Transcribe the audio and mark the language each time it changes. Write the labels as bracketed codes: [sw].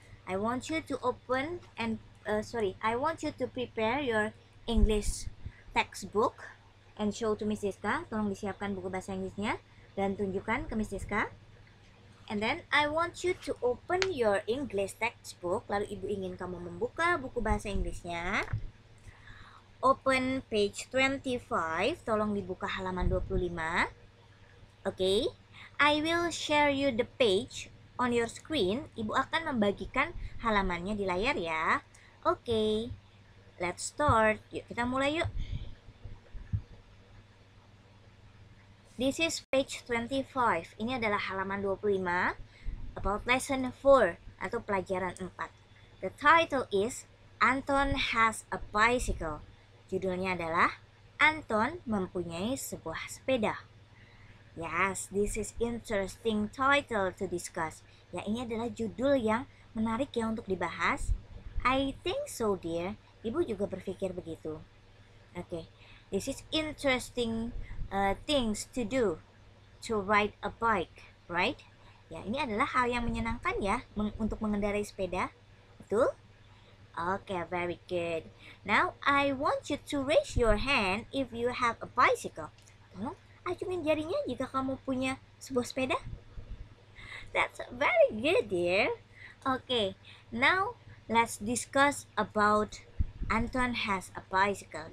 [en] I want you to open and, I want you to prepare your English textbook and show to Miss Diska. [id] Tolong disiapkan buku bahasa Inggrisnya dan tunjukkan ke Miss Diska. [en] And then I want you to open your English textbook. [id] Lalu ibu ingin kamu membuka buku bahasa Inggrisnya. [en] Open page 25. [id] Tolong dibuka halaman 25. Okay. [en] I will share you the page on your screen. [id] Ibu akan membagikan halamannya di layar ya. [en] Okay. Let's start. [id] Yuk, kita mulai yuk. [en] This is page 25. [id] Ini adalah halaman 25 [en] about lesson 4 [id] atau pelajaran 4. [en] The title is Anton has a bicycle. [id] Judulnya adalah Anton mempunyai sebuah sepeda. [en] Yes, this is interesting title to discuss. [id] Ya, ini adalah judul yang menarik ya untuk dibahas. [en] I think so, dear. [id] Ibu juga berpikir begitu. [en] Okay. This is interesting things to do, to ride a bike, right? [id] Ya, ini adalah hal yang menyenangkan ya, untuk mengendarai sepeda, betul? [en] Okay, very good. Now, I want you to raise your hand if you have a bicycle. [id] Tolong, acungin jarinya jika kamu punya sebuah sepeda. [en] That's very good, dear. Okay, now let's discuss about Anton has a bicycle.